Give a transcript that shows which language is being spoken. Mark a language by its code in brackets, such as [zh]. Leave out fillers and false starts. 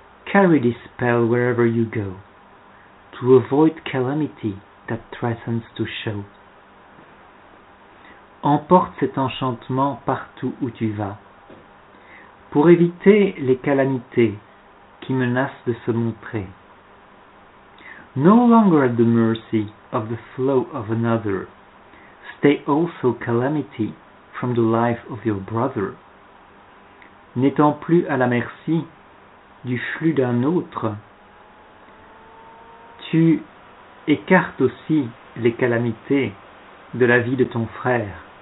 [en] Carry this spell wherever you go, to avoid calamity that threatens to show. [fr] Emporte cet enchantement partout où tu vas, pour éviter les calamités qui menacent de se montrer. [en] No longer at the mercy of the flow of another, stay also calamity from the life of your brother. [fr] N'étant plus à la merci du flux d'un autre, tu écartes aussi les calamités de la vie de ton frère.